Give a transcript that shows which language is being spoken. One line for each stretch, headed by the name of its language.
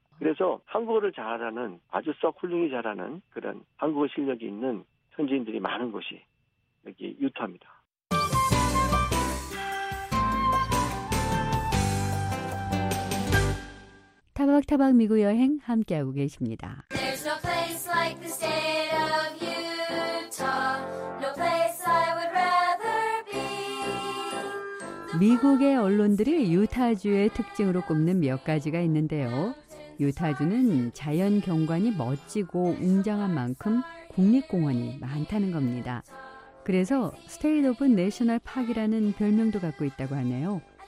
Korean: 그래서 한국어를 잘하는 아주 썩 훌륭히 잘하는 그런 한국어 실력이 있는 현지인들이 많은 곳이 여기 유타입니다. 타박타박 미국 여행 함께하고 계십니다.
English: Like the state of Utah, no place I would rather be.
Korean: 미국의 언론들이 유타주의 특징으로 꼽는 몇 가지가 있는데요. 유타주는 자연 경관이 멋지고 웅장한 만큼 국립공원이 많다는 겁니다. 그래서 State of National Park이라는 별명도 갖고 있다고 하네요.